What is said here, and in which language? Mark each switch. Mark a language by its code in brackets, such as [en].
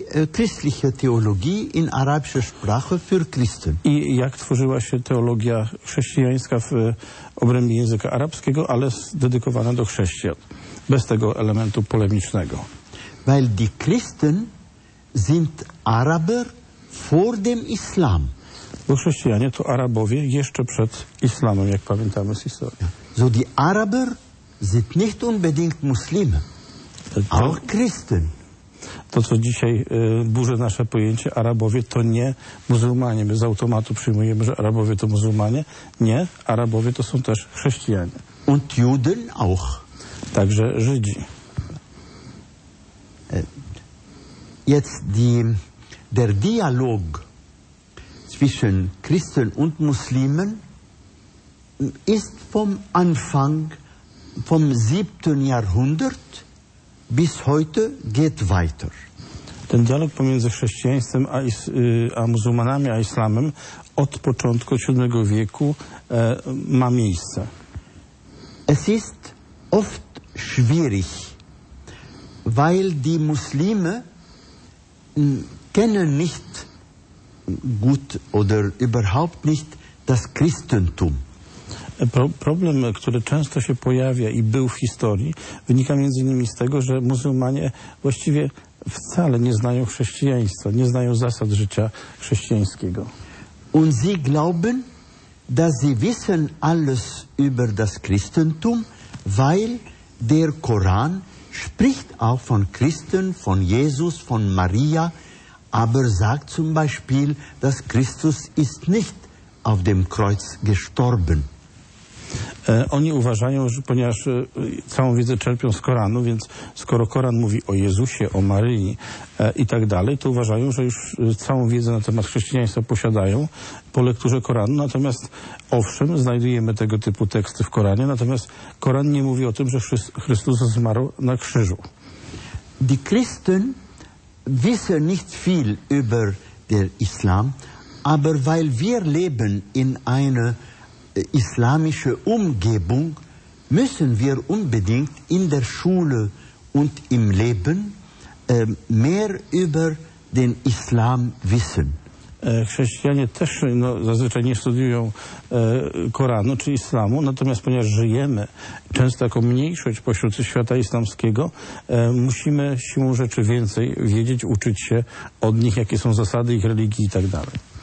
[de] Christliche Theologie in arabischer Sprache für Christen. [pl] I jak tworzyła się teologia chrześcijańska w obrębie języka arabskiego, ale dedykowana do chrześcijan, bez tego elementu polemicznego. [de] Weil die Christen sind Araber vor dem Islam. [pl] Bo chrześcijanie to Arabowie jeszcze przed islamem, jak pamiętamy z historii. [de] So die Araber sind nicht unbedingt Muslime, auch Christen. [pl] To, co dzisiaj burzy nasze pojęcie, Arabowie to nie muzułmanie. My z automatu przyjmujemy, że Arabowie to muzułmanie. Nie, Arabowie to są też chrześcijanie. [de] Und Juden auch. [pl] Także Żydzi. [de] Jetzt der Dialog zwischen Christen und Muslimen ist vom Anfang, vom 7. Jahrhundert bis heute geht weiter. [pl] Ten dialog pomiędzy chrześcijaństwem a muzułmanami, a islamem od początku VII wieku ma miejsce. [de] Es ist oft schwierig, weil die Muslime kennen nicht gut oder überhaupt nicht das Christentum. [pl] Problem, który często się pojawia i był w historii, wynika między innymi z tego, że muzułmanie właściwie wcale nie znają chrześcijaństwa, nie znają zasad życia chrześcijańskiego. [de] Und sie glauben, dass sie wissen alles über das Christentum, weil der Koran spricht auch von Christen, von Jesus, von Maria, aber sagt zum Beispiel, dass Christus ist nicht auf dem Kreuz gestorben. [pl] Oni uważają, że ponieważ całą wiedzę czerpią z Koranu, więc skoro Koran mówi o Jezusie, o Maryi i tak dalej, to uważają, że już całą wiedzę na temat chrześcijaństwa posiadają po lekturze Koranu. Natomiast owszem, znajdujemy tego typu teksty w Koranie, natomiast Koran nie mówi o tym, że Chrystus zmarł na krzyżu. [de] Die Christen wissen nicht viel über den Islam, aber weil wir leben in einer islamische Umgebung, müssen wir unbedingt in der Schule und im Leben mehr über den Islam wissen. [pl] Chrześcijanie też no, zazwyczaj nie studiują Koranu czy Islamu, natomiast ponieważ żyjemy często jako mniejszość pośród świata islamskiego, musimy siłą rzeczy więcej wiedzieć, uczyć się od nich, jakie są zasady ich religii i tak dalej.